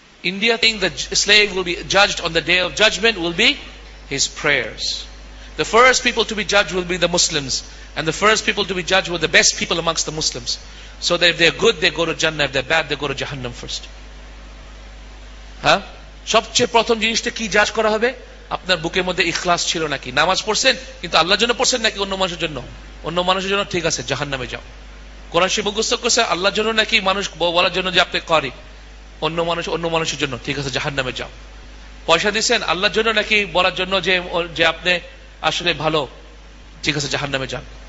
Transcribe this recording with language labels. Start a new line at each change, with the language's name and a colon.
English: India thing the slave will be judged on the day of judgment will be his prayers. The first people to be judged will be the Muslims, and the first people to be judged were the best people amongst the Muslims, so that if they're good they go to Jannah, if they're bad they go to Jahannam first.
Bangla: হ্যাঁ, সবচেয়ে প্রথম জিনিসটা কি জাজ করা হবে? আপনার বুকের মধ্যে ইখলাস ছিল নাকি? নামাজ পড়ছেন কিন্তু আল্লাহর জন্য পড়ছেন নাকি অন্য মানুষের জন্য? অন্য মানুষের জন্য ঠিক আছে, জাহান্নামে যাও। কোরআন শরীফ মুখস্থ করছে আল্লাহর জন্য নাকি মানুষ বলার জন্য যে আপনি করি? অন্য মানুষ, অন্য মানুষের জন্য ঠিক আছে, জাহান্নামে যাও। পয়সা দিচ্ছেন আল্লাহর জন্য নাকি বলার জন্য যে যে আপনি আসলে ভালো? ঠিক আছে, জাহান্নামে যান।